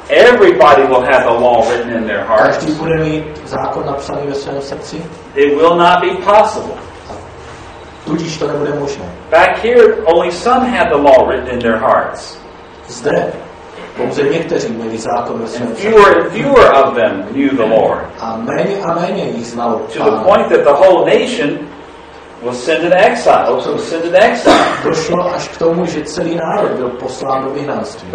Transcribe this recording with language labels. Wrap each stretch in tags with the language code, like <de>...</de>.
<en>Everybody will have the law written in their hearts.</en> <cs>Každý bude mít zákon napsaný ve svém srdci.</cs> <en>It will not be possible.</en> <cs>Tudíž to nebude možné.</cs> <en>Back here, only some had the law written in their hearts.</en> <cs>Zde pouze někteří měli zákon ve svém srdci.</cs> <en>Fewer of them knew the Lord.</en> <cs>A méně jich znalo.</cs> <en>To the point that the whole nation was sent in exile. Also sent in exile.</en> <cs>Došlo až k tomu, že celý národ byl poslán do vyhnanství.</cs>